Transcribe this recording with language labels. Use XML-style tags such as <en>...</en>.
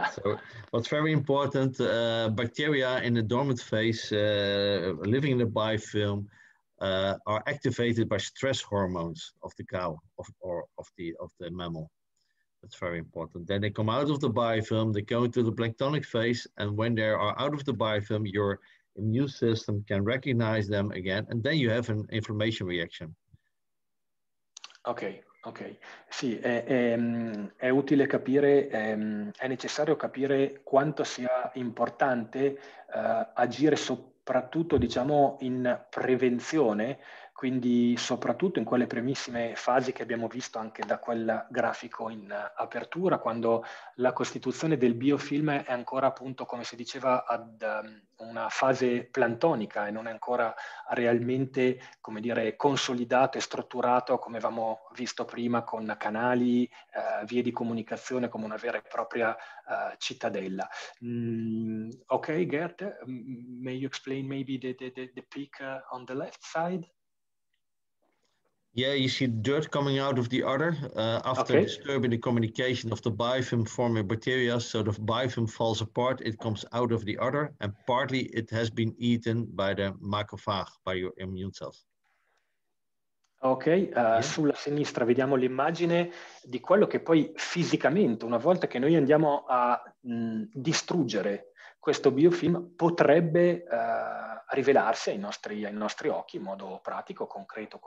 <en>Yeah. So, what's very important, bacteria in the dormant phase, living in the biofilm, are activated by stress hormones of the cow or of the mammal. That's very important. Then they come out of the biofilm, they go into the planktonic phase, and when they are out of the biofilm, your immune system can recognize them again, and then you have an inflammation reaction. Okay.</en> <it>Ok, sì, è utile capire, è necessario capire quanto sia importante agire soprattutto, diciamo, in prevenzione, quindi soprattutto in quelle primissime fasi che abbiamo visto anche da quel grafico in apertura, quando la costituzione del biofilm è ancora, appunto, come si diceva, ad una fase planctonica e non è ancora realmente, come dire, consolidato e strutturato come avevamo visto prima con canali, vie di comunicazione come una vera e propria cittadella.</it> <en>Ok, Gert, may you explain maybe the peak on the left side? Yeah, you see dirt coming out of the udder after disturbing the communication of the biofilm forming bacteria. So the biofilm falls apart, it comes out of the udder, and partly it has been eaten by the macrophage, by your immune cells.</en> <it>Ok, sulla sinistra vediamo l'immagine di quello che poi fisicamente, una volta che noi andiamo a distruggere questo biofilm, potrebbe rivelarsi ai nostri occhi in modo pratico, concreto.</it>